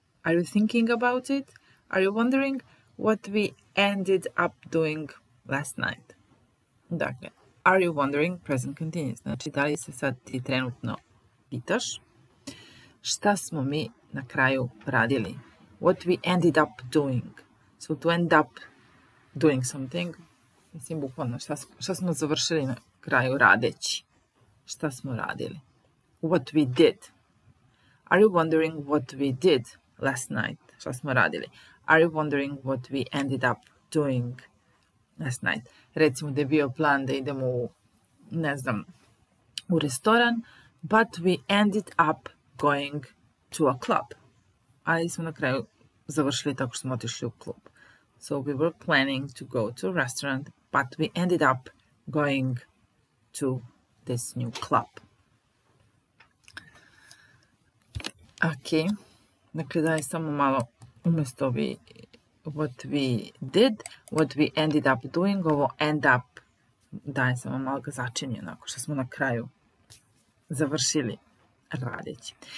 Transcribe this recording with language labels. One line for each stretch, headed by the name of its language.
English: Are you thinking about it? Are you wondering what we ended up doing last night?
Serbian: Dakle,
English: are you wondering, present continuous.
Serbian: Znači, da li se sad ti trenutno pitaš šta smo mi na kraju radili?
English: What we ended up doing. So, to end up doing something.
Serbian: Mislim, bukvalno, šta smo završili na kraju radeći? Šta smo radili?
English: What we did. Are you wondering what we did last night?
Serbian: Šta smo radili?
English: Are you wondering what we ended up doing last night?
Serbian: Recimo da je bio plan da idemo u, ne znam, u restoran,
English: but we ended up going to a club.
Serbian: Ali smo na kraju završili tako što smo otišli u klub.
English: So we were planning to go to a restaurant, but we ended up going to this new club.
Serbian: Ok, dakle da je samo malo umesto vi
English: what we did, what we ended up doing,
Serbian: ovo end up, daj samo malo ga začinje, onako što smo na kraju završili radeći.